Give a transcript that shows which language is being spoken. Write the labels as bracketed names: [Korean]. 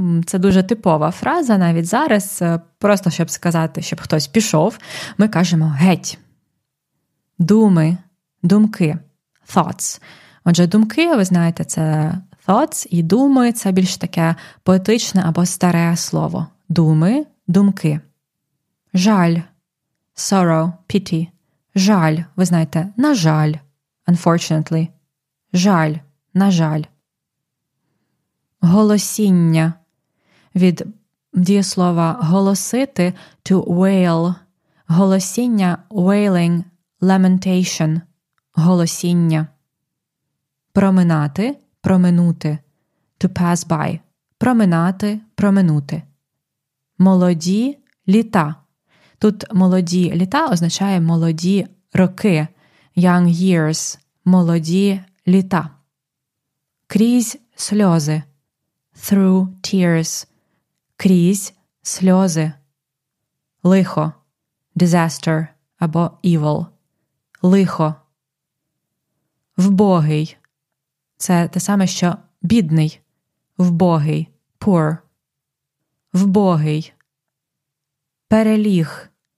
[Ukrainian] Це дуже типова фраза, навіть зараз, просто щоб сказати, щоб хтось пішов, ми кажемо «геть». Думи, думки, thoughts. Отже, думки, ви знаєте, це thoughts, і думи – це більш таке поетичне або старе слово. Думи, думки. [English] Жаль, sorrow, pity. [Ukrainian] Жаль, ви знаєте, на жаль, unfortunately. Жаль, на жаль. Голосіння. Від дієслова «голосити» – [English] «to wail». [Ukrainian] Голосіння – «wailing», «lamentation», «голосіння». Проминати – «проминути», [English] «to pass by», [Ukrainian] «проминати», «проминути». Молоді – «літа». Тут «молоді» – «літа» означає «молоді роки», [English] «young years», [Ukrainian] «молоді літа». Крізь сльози – [English] «through tears». [Ukrainian] Крізь сльози. Лихо. [English] Disaster або evil. [Ukrainian] Лихо. Вбогий. Це те саме, що бідний. Вбогий. Poor. Вбогий. Переліг.